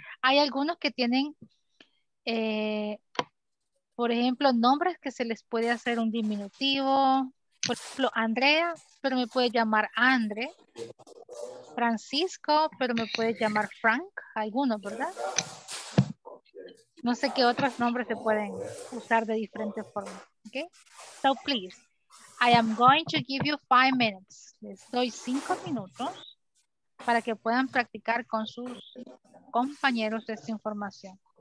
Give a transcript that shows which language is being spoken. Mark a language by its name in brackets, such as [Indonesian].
[Spanish] Hay algunos que tienen, por ejemplo, nombres que se les puede hacer un diminutivo. Por ejemplo, Andrea, pero me puede llamar Andre. Francisco, pero me puede llamar Frank. Algunos, ¿verdad? No sé qué otros nombres se pueden usar de diferentes formas. [English] Okay? So, please, I am going to give you 5 minutes. [Spanish] Les doy 5 minutos. Para que puedan practicar con sus compañeros esta información.